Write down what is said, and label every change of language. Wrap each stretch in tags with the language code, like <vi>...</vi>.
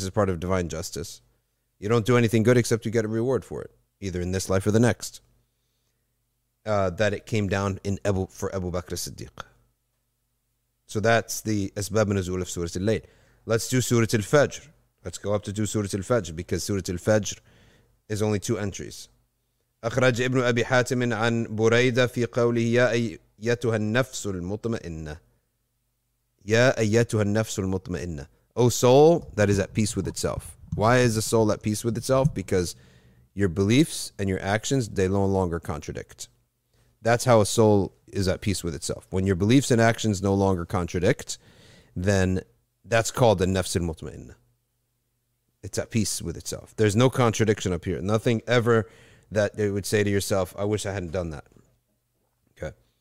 <en>This is part of divine justice. You don't do anything good except you get a reward for it, either in this life or the next. That it came down for Abu Bakr Siddiq. So that's the Asbab Nuzul of Surah Al-Layl. Let's do Surah Al-Fajr. Let's go up to do Surah Al-Fajr because Surah Al-Fajr is only two entries.</en> <ar>أخرج ابن أبي حاتم عن بريدة في قوله يا أيتها النفس المطمئنة يا أيتها النفس المطمئنة</ar> <en>O soul that is at peace with itself. Why is a soul at peace with itself? Because your beliefs and your actions, they no longer contradict. That's how a soul is at peace with itself. When your beliefs and actions no longer contradict, then that's called the nafs al-mutma'inna. It's at peace with itself. There's no contradiction up here. Nothing ever that it would say to yourself, I wish I hadn't done that. Okay.</en>